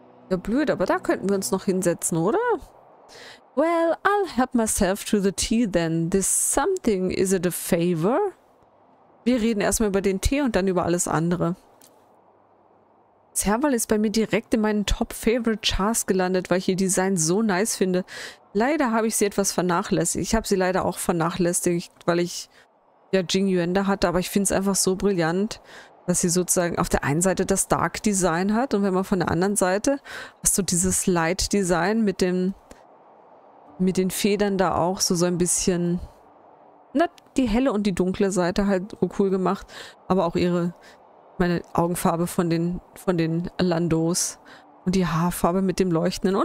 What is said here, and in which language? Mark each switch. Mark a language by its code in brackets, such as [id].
[de] Ja, blöd, aber da könnten wir uns noch hinsetzen, oder? [en] Well, I'll help myself to the tea then. This something, is it a favor? [de] Wir reden erstmal über den Tee und dann über alles andere. Serval ist bei mir direkt in meinen Top-Favorite-Chars gelandet, weil ich ihr Design so nice finde. Leider habe ich sie etwas vernachlässigt. Ich habe sie leider auch vernachlässigt, weil ich ja Jing Yuan da hatte, aber ich finde es einfach so brillant, dass sie sozusagen auf der einen Seite das Dark-Design hat und wenn man von der anderen Seite hast du dieses Light-Design mit dem mit den Federn da auch so ein bisschen, na, die helle und die dunkle Seite halt so cool gemacht, aber auch ihre meine Augenfarbe von den Landos und die Haarfarbe mit dem Leuchtenden.